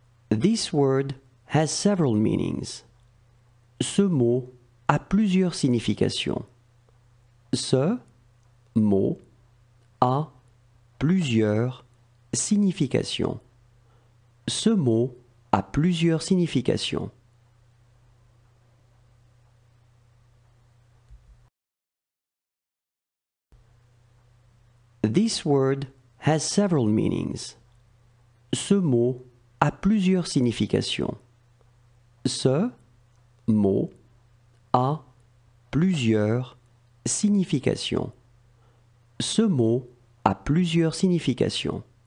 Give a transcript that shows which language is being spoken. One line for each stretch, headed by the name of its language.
English: This word has several meanings.
French: Ce mot a plusieurs significations. Ce mot a plusieurs significations. Ce mot a plusieurs significations.
English: This word has several meanings.
French: Ce mot a plusieurs significations. Ce mot a plusieurs significations. Ce mot a plusieurs significations.